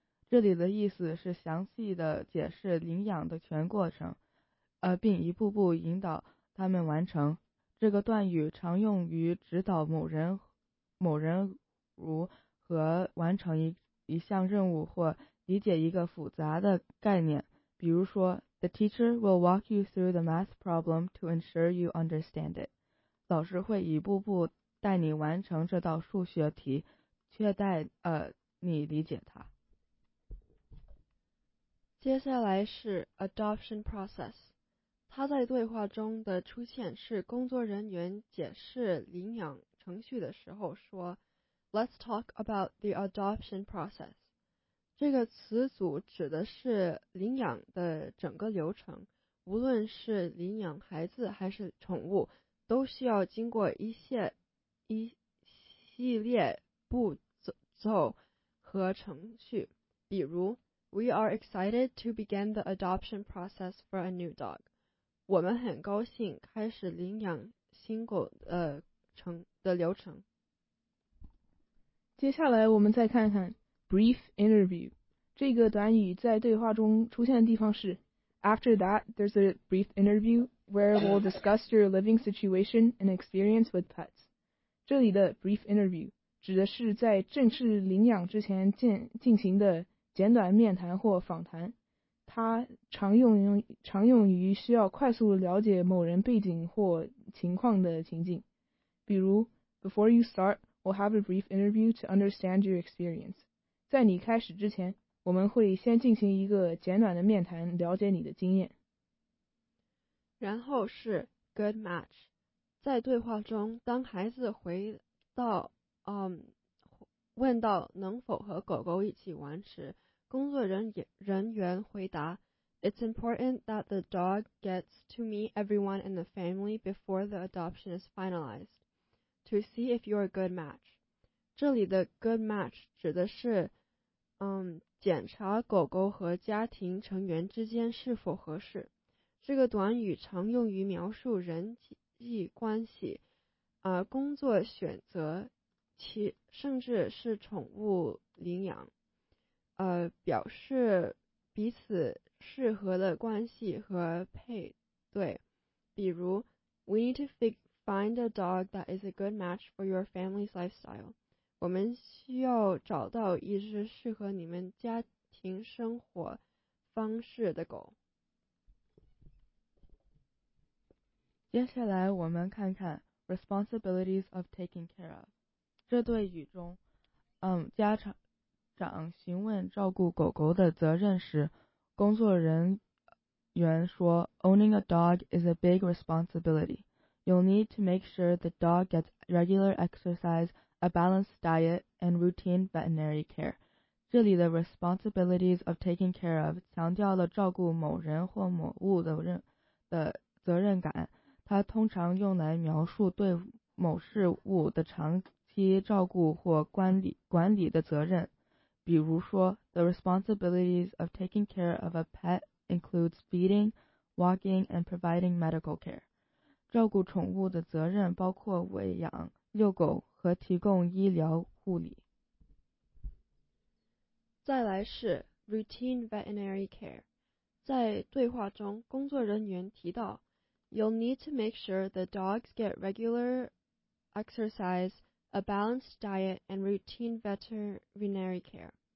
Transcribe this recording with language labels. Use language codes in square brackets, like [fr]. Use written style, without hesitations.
[zh] 这里的意思是详细的解释领养的全过程，并一步步引导他们完成。这个段语常用于指导某人如何完成一项任务或理解一个复杂的概念。比如说 [en] The teacher will walk you through the math problem to ensure you understand it。 [zh] 老师会一步步带你完成这道数学题，确待你理解它。接下来是 adoption process。他在对话中的出现是工作人员解释领养程序的时候说 [en] Let's talk about the adoption process. [zh] 这个词组指的是领养的整个流程，无论是领养孩子还是宠物，都需要经过一系列步骤和程序。 [en] 比如 We are excited to begin the adoption process for a new dog. [zh] 我们很高兴开始领养新狗的流程。接下来我们再看看 brief interview。这个短语在对话中出现的地方是 [en] After that, there's a brief interview where we'll discuss your living situation and experience with pets. [zh] 这里的 brief interview 指的是在正式领养之前进行的简短面谈或访谈，它常用于需要快速了解某人背景或情况的情境。比如 [en] Before you start, we'll have a brief interview to understand your experience. [zh] 在你开始之前，我们会先进行一个简短的面谈，了解你的经验。然后是 [en] good match， [zh] 在对话中，当孩子回到问到能否和狗狗一起玩时，工作人员回答 [en] ，It's important that the dog gets to meet everyone in the family before the adoption is finalized to see if you're a good match。 [zh] 这里的 good match 指的是，检查狗狗和家庭成员之间是否合适。这个短语常用于描述人际关系、工作选择，甚至是宠物领养，表示彼此适合的关系和配对。比如 [en] We need to find a dog that is a good match for your family's lifestyle。 [zh] 我们需要找到一只适合你们家庭生活方式的狗。接下来我们看看 [en] responsibilities of taking care of。 [zh] 这对语中家长询问照顾狗狗的责任时，工作人员说 [en] owning a dog is a big responsibility. You'll need to make sure the dog gets regular exercise,A balanced diet and routine veterinary care. [zh] 这里的 responsibilities of taking care of 强调了照顾某人或某物的责任感，它通常用来描述对某事物的长期照顾或管理的责任。比如说 [en] ,the responsibilities of taking care of a pet includes feeding, walking, and providing medical care. [zh] 照顾宠物的责任包括喂养、遛狗和提供医疗护理。再来是 [en] routine veterinary care。 [zh] 在对话中，工作人员提到 [en] You'll need to make sure the dogs get regular exercise, a balanced diet, and routine veterinary care。